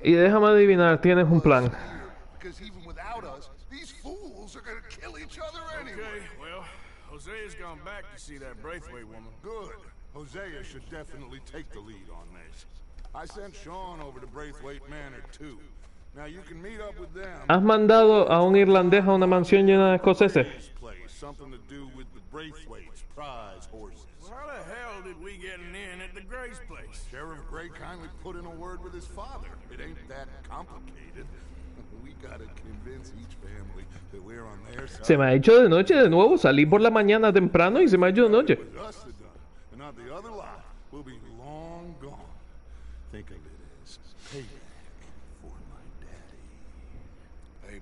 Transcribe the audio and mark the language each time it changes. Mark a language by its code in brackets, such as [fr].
[es] Y déjame adivinar, tienes un plan. [en] Because even without us, these fools are gonna kill each other anyway. Okay, well, Hosea's gone back to see that Braithwaite woman. Good. Hosea should definitely take the lead on this. I sent Sean over to Braithwaite Manor too. Now you can meet up with them. [es] ¿Has mandado a un irlandés a una mansión llena de escoceses? [en] Something to do with the Braithwaite's prize horses. How the hell did we get an inn at the Grace place? Sheriff Gray kindly put in a word with his father. It ain't that complicated. We gotta convince each family that we're on their side. [es] Se me ha hecho de noche de nuevo. Salí por la mañana temprano y se me ha hecho de noche. [en] And not the other lot. We'll be long gone. Think of it as payback for my daddy.